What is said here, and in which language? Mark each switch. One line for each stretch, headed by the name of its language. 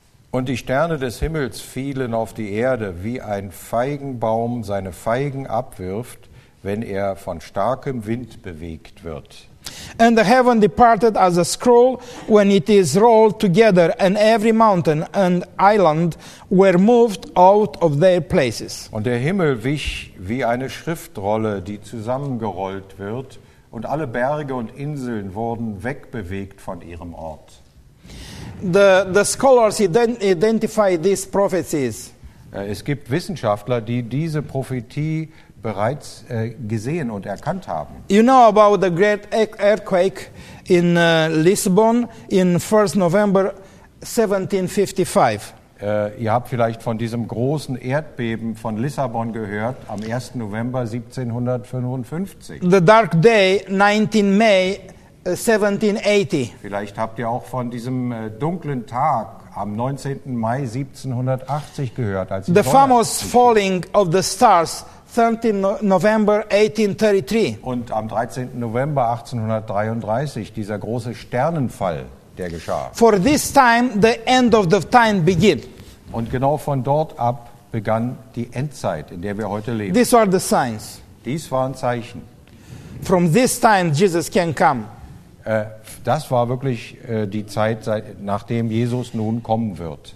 German: Und die Sterne des Himmels fielen auf die Erde, wie ein Feigenbaum seine Feigen abwirft, wenn er von starkem Wind bewegt wird.
English: And the heaven departed as a scroll when it is rolled together, and every mountain and island were moved out of their places.
German: Und der Himmel wich wie eine Schriftrolle, die zusammengerollt wird, und alle Berge und Inseln wurden wegbewegt von ihrem Ort.
English: The scholars identify these prophecies.
German: Es gibt Wissenschaftler, die diese Prophetie bereits gesehen und erkannt haben.
English: You know about the great earthquake in Lisbon in 1st November 1755.
German: Ihr habt vielleicht von diesem großen Erdbeben von Lissabon gehört am 1. November 1755.
English: The dark day 19 May 1780.
German: Vielleicht habt ihr auch von diesem dunklen Tag am 19. Mai 1780 gehört, als
English: the famous falling of the stars 13 November 1833.
German: Und am 13. November 1833 dieser große Sternenfall, der geschah.
English: For this time the end of the time began.
German: Und genau von dort ab begann die Endzeit, in der wir heute leben.
English: These are the signs.
German: Dies waren Zeichen.
English: From this time Jesus can come.
German: Das war wirklich die Zeit, nachdem Jesus nun kommen wird.